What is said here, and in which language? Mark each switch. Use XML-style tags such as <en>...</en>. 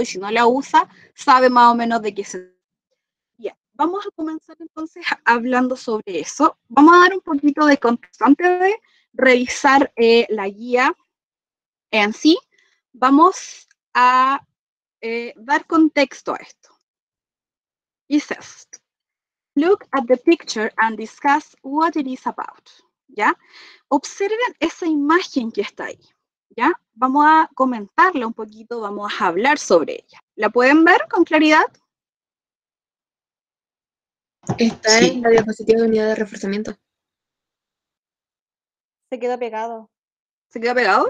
<es>Y si no la usa, sabe más o menos de qué se trata. Vamos a comenzar entonces hablando sobre eso. Vamos a dar un poquito de contexto antes de revisar la guía en sí, vamos a dar contexto a esto.</es> <en>He says, look at the picture and discuss what it is about, ¿ya?</en> <es>Observen esa imagen que está ahí, ¿ya? Vamos a comentarla un poquito, vamos a hablar sobre ella. ¿La pueden ver con claridad? Está sí. En la diapositiva de unidad de reforzamiento. Se queda pegado. ¿Se queda pegado?</es>